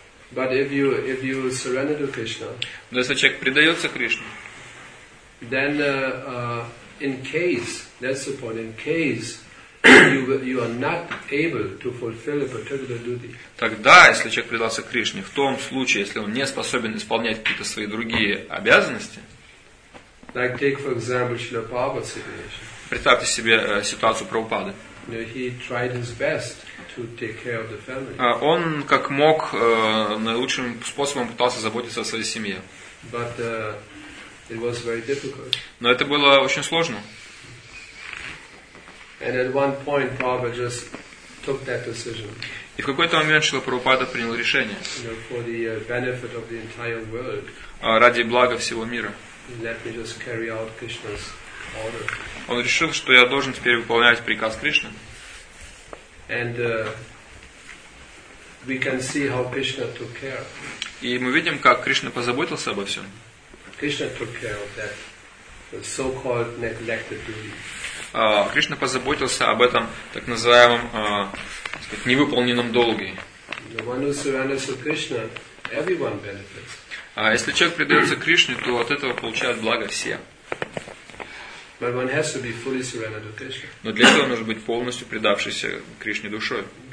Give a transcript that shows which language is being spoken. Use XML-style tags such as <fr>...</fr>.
<ru>Но если человек предается Кришне,</ru> <en>then in case, that's the point, in case you are not able to fulfill a particular duty.</en> <ru>Тогда, если человек предался Кришне, в том случае, если он не способен исполнять какие-то свои другие обязанности,</ru> <en>like take for example Srila Prabhupada's situation.</en> <ru>Представьте себе ситуацию Прабхупады.</ru> <en>You know, he tried his best to take care of the family.</en> <ru>Он как мог наилучшим способом пытался заботиться о своей семье.</ru> <en>But it was very difficult.</en> <ru>Но это было очень сложно.</ru> <en>And at one point, Prabhupada just took that decision.</en> <ru>И в какой-то момент Шрила Прабхупада принял решение.</ru> <en>You know, for the benefit of the entire world.</en> <ru>Ради блага всего мира.</ru> <en>Let me just carry out Krishna's order.</en> <ru>Он решил, что я должен теперь выполнять приказ Кришны.</ru> <en>And we can see how Krishna took care.</en> <ru>И мы видим, как Кришна позаботился обо всем.</ru> <en>Krishna took care of that so-called neglected duty.</en> <ru>Кришна позаботился об этом так называемом невыполненном долге. Если человек предается Кришне, то от этого получают благо все. Но для этого нужно быть полностью предавшейся Кришне душой.</ru>